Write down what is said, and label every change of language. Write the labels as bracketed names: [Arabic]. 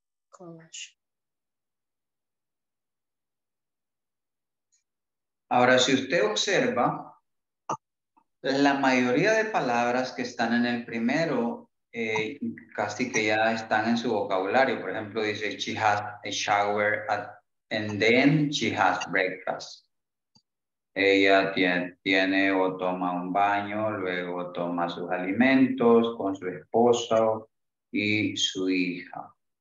[Spanish] Collage. Ahora, si usted observa, la mayoría de palabras que están en el primero, casi que ya están en su vocabulario. Por ejemplo, dice, [English] she has a shower and then she has breakfast. [Spanish] Ella tiene o toma un baño, luego toma sus alimentos con su esposo y su hija.